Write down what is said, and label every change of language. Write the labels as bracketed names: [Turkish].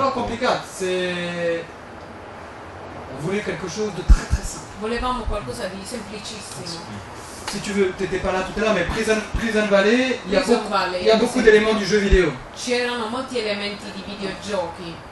[Italian] no, complicato. [French] C'est... On voulait quelque chose de très très simple. [Italian] Volevamo qualcosa di semplicissimo. [French] Si tu veux, t'étais pas là tout à l'heure, mais Prison Valley, il y a beaucoup d'éléments du jeu vidéo. [Italian] C'erano molti elementi di videogiochi.